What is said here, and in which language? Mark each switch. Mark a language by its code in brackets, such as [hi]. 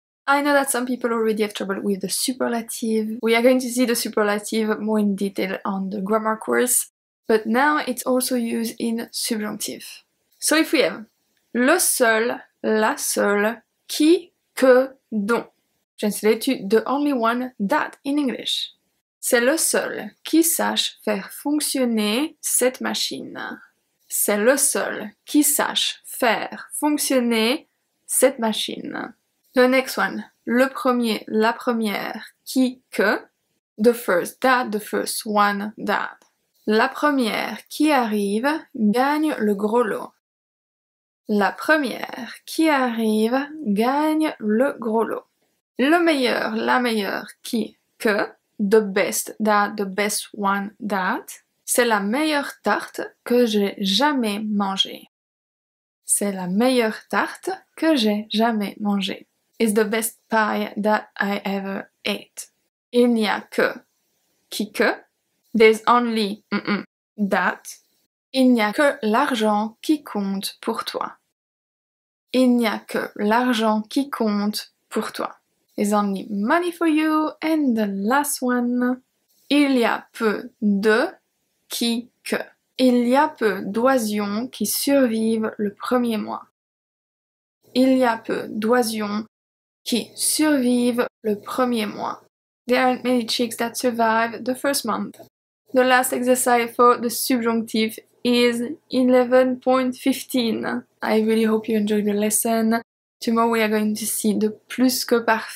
[en] I know that some people already have trouble with the superlative. We are going to see the superlative more in detail on the grammar course, but now it's also used in subjonctif. So if we have [fr] le seul, la seule, qui, que, dont. [en] Translate to the only one, that, in English. [fr] C'est le seul qui sache faire fonctionner cette machine. C'est le seul qui sache faire fonctionner cette machine. [en] The next one. [fr] Le premier, la première, qui, que. [en] The first one, that. [fr] La première qui arrive gagne le gros lot. La première qui arrive gagne le gros lot. Le meilleur, la meilleure, qui, que. [en] The best one, that. [fr] C'est la meilleure tarte que j'ai jamais mangée. C'est la meilleure tarte que j'ai jamais mangée. [en] It's the best pie that I ever ate. [fr] Il n'y a que. Qui que. [en] There's only that. [fr] Il n'y a que l'argent qui compte pour toi. Il n'y a que l'argent qui compte pour toi. [en] There's only money for you. And the last one. [fr] Il y a peu de qui que. Il y a peu d'oisions qui survivent le premier mois. Il y a peu d'oisions qui survivent le premier mois. [en] There aren't many chicks that survive the first month. The last exercise for the subjonctif is 11.15. I really hope you enjoyed the lesson. Tomorrow we are going to see the plus que parfait. Thanks again to Lingoda for sponsoring this video. I will see you tomorrow.